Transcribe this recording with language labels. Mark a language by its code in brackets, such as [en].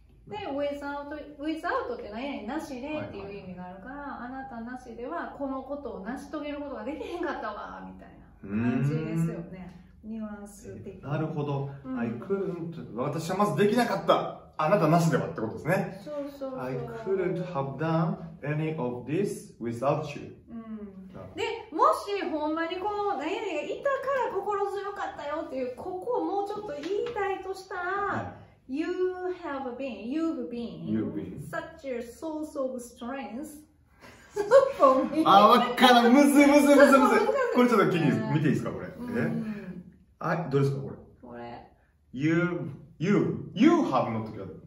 [ja] Without って何やねん、なしでっていう意味があるから、はいはい、あなたなしではこのことを成し遂げることができへんかったわみたいな感じですよね、ニュアンス的に。なるほど、 [en] I couldn't、 [ja] 私はまずできなかった、あなたなしではってことですね。そうそうそう、 [en] I couldn't have done any of this without you、 [ja] で、もしほんまにこの何やねんがいたから心強かったよっていう、ここをもうちょっと言いたいとしたら、はい、 [en] You have been, you've been, you've been such a source of strength for me。 [ja] あ、わからん、むずいむずいむずいむずい、これちょっと気に見ていいですかこれ、あ、どうですかこれ、これ [en] You have [ja] の時は